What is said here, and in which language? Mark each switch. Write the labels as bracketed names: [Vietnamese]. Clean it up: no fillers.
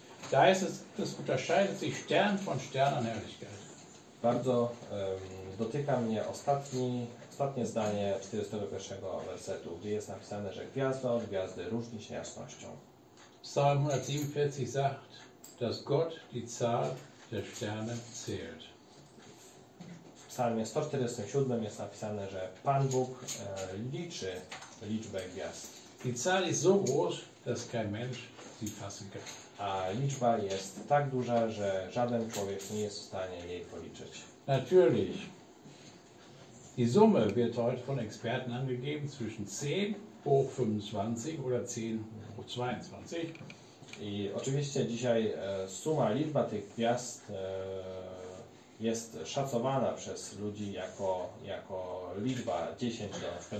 [German] Da ist es, es unterscheidet sich Stern von Sternenherrlichkeit. [Polish] Bardzo dotyka mnie ostatnie zdanie 41 wersetu, gdzie jest napisane, że gwiazda od gwiazdy różni się jasnością. [German] Psalm 147 sagt, dass Gott die Zahl der Sterne zählt. [Polish] W Psalmie 147 jest napisane, że Pan Bóg liczy liczbę gwiazd. [German] Die Zahl ist so groß, dass kein Mensch sie fassen kann. [Polish] A liczba jest tak duża, że żaden człowiek nie jest w stanie jej policzyć. [German] Natürlich. Die Summe wird heute von Experten angegeben zwischen 10 hoch 25 oder 10 hoch 22. [Polish] I oczywiście dzisiaj suma, liczba tych gwiazd jest szacowana przez ludzi jako liczba 10 do np.